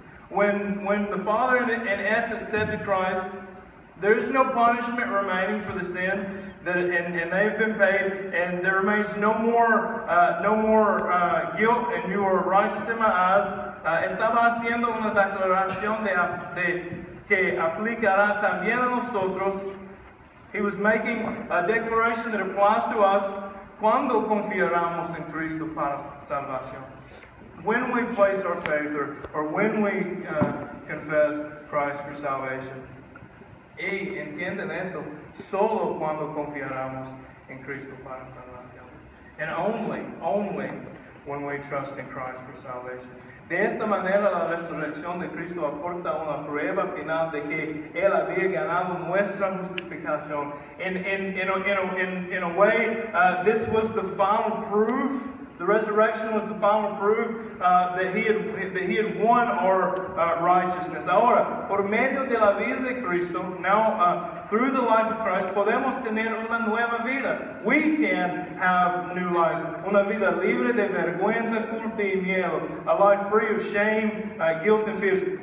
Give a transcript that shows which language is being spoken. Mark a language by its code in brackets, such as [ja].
[en] When the Father in essence said to Christ, there is no punishment remaining for the sins that and they've been paid, and there remains no more guilt, and you are righteous in my eyes. [es] Estaba haciendo una declaración de que aplicará también a nosotros. [en] He was making a declaration that applies to us [es] cuando confiaramos en Cristo para salvación. [en] When we place our faith or when we confess Christ for salvation. [es] Y entienden eso, solo cuando confiaramos en Cristo para salvación. [en] And only when we trust in Christ for salvation. [es] De esta manera, la resurrección de Cristo aporta una prueba final de que Él había ganado nuestra justificación. [en] In a way, this was the final proof The resurrection was the final proof that he had won our righteousness. [es] Ahora, por medio de la vida de Cristo, [en] through the life of Christ, [es] podemos tener una nueva vida. [en] We can have new life. [es] Una vida libre de vergüenza, culpa y miedo. [en] A life free of shame, guilt and fear.